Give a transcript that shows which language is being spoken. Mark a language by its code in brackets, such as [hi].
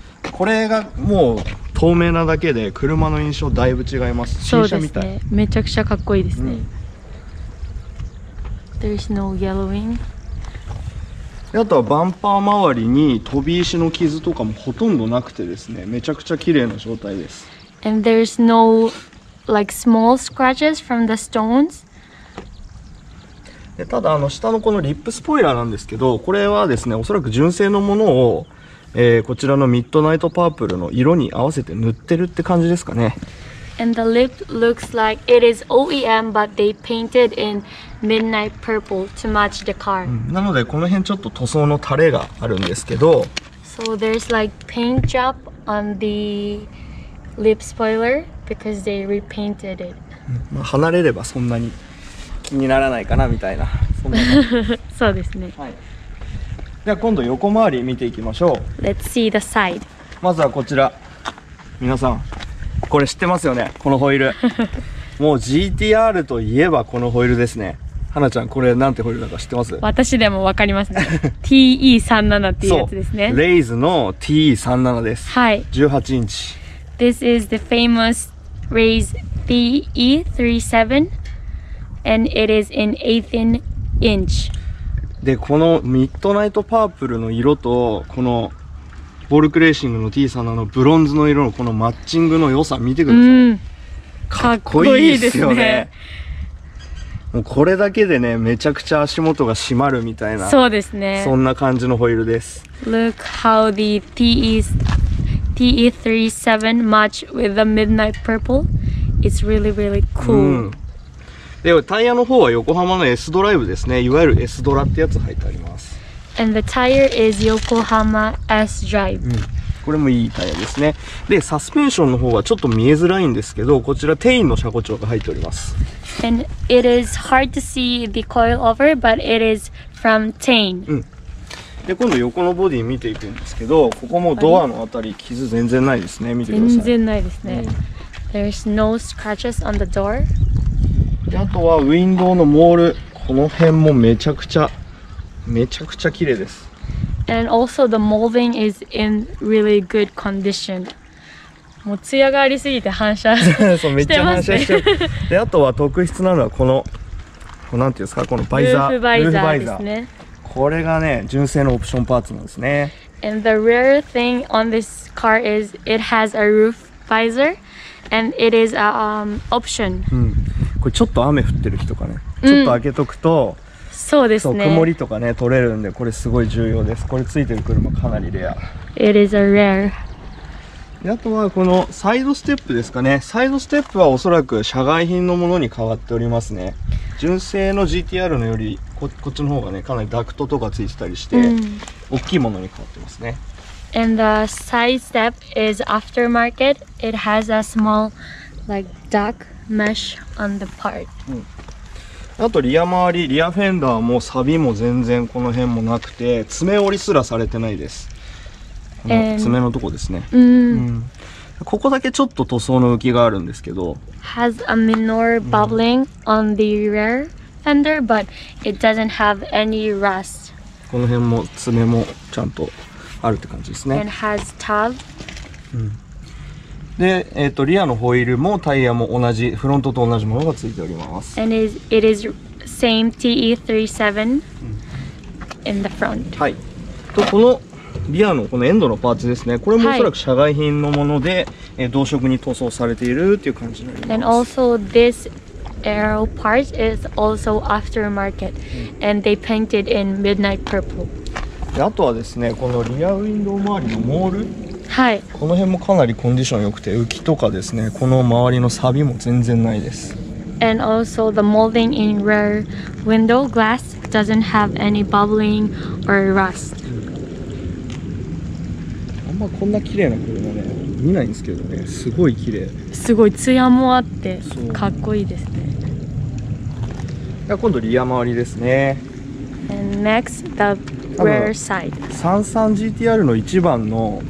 [ja] これがもう透明なだけで車の印象だいぶ違います。新車みたい。そうですね、めちゃくちゃかっこいいですね、うん、 [en] There's no yellowing。 [ja] あとはバンパー周りに飛び石の傷とかもほとんどなくてですね、めちゃくちゃ綺麗な状態です。 [en] And there's no like small scratches from the stones。 [ja] でただ下のこのリップスポイラーなんですけど、これはですね、おそらく純正のものをこちらのミッドナイトパープルの色に合わせて塗ってるって感じですかね。 [en] And the lip looks like it is OEM but they painted in midnight purple to match the car、う [ja] ん、なのでこの辺ちょっと塗装のタレがあるんですけど、 [en] So there's like paint job on the lip spoiler because they repainted it、 [ja] まあ、離れればそんなに気にならないかなみたいな、そんな感じ。 そうですね、はい。では今度横回り見ていきましょう。 [en] Let's see the side。 [ja] まずはこちら、皆さんこれ知ってますよね、このホイールもう GTR といえばこのホイールですね。花ちゃん、これなんてホイールだか知ってます？私でも分かりますねT-E37 っていうやつですね。そう、レイズの T-E37 です。はい、 18インチ。 [en] This is the famous Rays T-E37 and it is in 18 inch。 [ja] でこのミッドナイトパープルの色とこのボルクレーシングの T さんのブロンズの色のこのマッチングの良さ見てください、うん、かっこいいですよね。もうこれだけでね、めちゃくちゃ足元が締まるみたいな。そうですね、そんな感じのホイールです。 [en] Look how the TE37 match with the midnight purple. It's really really cool、うん。 [ja] でタイヤの方は横浜の S ドライブですね、いわゆる S ドラってやつ入ってあります。 [en] And the tire is 横浜 S drive、 [ja] うん、これもいいタイヤですね。でサスペンションの方はちょっと見えづらいんですけど、こちらテインの車高調が入っております。 [en] And it is hard to see the coilover but it is from Tain、うん。 [ja] で今度横のボディ見ていくんですけど、ここもドアのあたり傷全然ないですね、見てください。全然ないですね、うん、 [en] There's no scratches on the door。 [ja] あとはウィンドウのモール、この辺もめちゃくちゃめちゃくちゃ綺麗です。 And also the molding is in really good condition。もう艶がありすぎて反射してますね。そう、めっちゃ反射してる。であとは特筆なのはこのこうなんていうんですか、このバイザー、ルーフバイザーですね。これがね、純正のオプションパーツなんですね。 [en] And the rare thing on this car is it has a roof visor and it is a option、うん。 [ja] これちょっと雨降ってる日とかね、ちょっと開けとくと、うそうですね、曇りとかね取れるんで、これすごい重要です。これついてる車かなりレア。 [en] It is a rare。 [ja] あとはこのサイドステップですかね。サイドステップはおそらく社外品のものに変わっておりますね。純正の GTR のより こっちの方がね、かなりダクトとかついてたりして、うん、大きいものに変わってますね。 [en] And the side step is aftermarket. It has a small like duckMesh on the part、うん。 [ja] あとリア周り、リアフェンダーもサビも全然この辺もなくて、爪折りすらされてないです。この爪のとこですね、 And、うん、ここだけちょっと塗装の浮きがあるんですけど、 [en] Has a minor bubbling、うん、on the rear fender but it doesn't have any rust。 [ja] この辺も爪もちゃんとあるって感じですね。 [en] And has tub、うん。 [ja] で、リアのホイールもタイヤも同じ、フロントと同じものがついております。 [en] And it is same TE37 in the front、はい。 [ja] とこのリアのこのエンドのパーツですね、これもおそらく社外品のもので、はい、同色に塗装されているという感じになります。 [en] And also this aero part is also aftermarket、うん、and they painted in midnight purple。 [ja] であとはですね、このリアウィンドウ周りのモール、はい、この辺もかなりコンディション良くて、浮きとかですね、この周りのサビも全然ないです。 [en] And also the molding in rear window glass doesn't have any bubbling or rust. [ja] あんまこんな綺麗な車ね、見ないんですけどね、すごい綺麗。すごいツヤもあって、かっこいいですね。今度リア周りですね。 [en] And next the rear side. [ja] 33GTR の一番の、